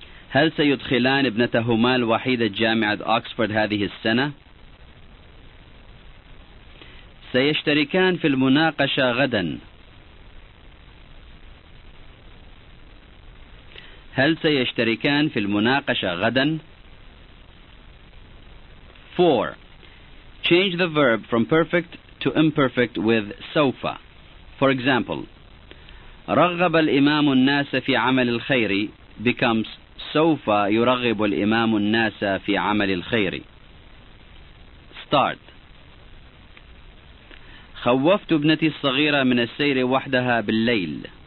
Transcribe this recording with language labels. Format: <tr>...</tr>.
<ar>هل سيدخلان ابنتهما الوحيدة جامعة أكسفورد هذه السنة؟ سيشتركان في المناقشة غدا. هل سيشتركان في المناقشة غدا؟ 4.</ar> <en>Change the verb from perfect to imperfect with سوف. For example,</en> <ar>رغب الإمام الناس في عمل الخير</ar> <en>becomes</en> <ar>سوف يرغب الإمام الناس في عمل الخير.</ar> <en>Start.</en> <ar>خوفت ابنتي الصغيرة من السير وحدها بالليل.</ar>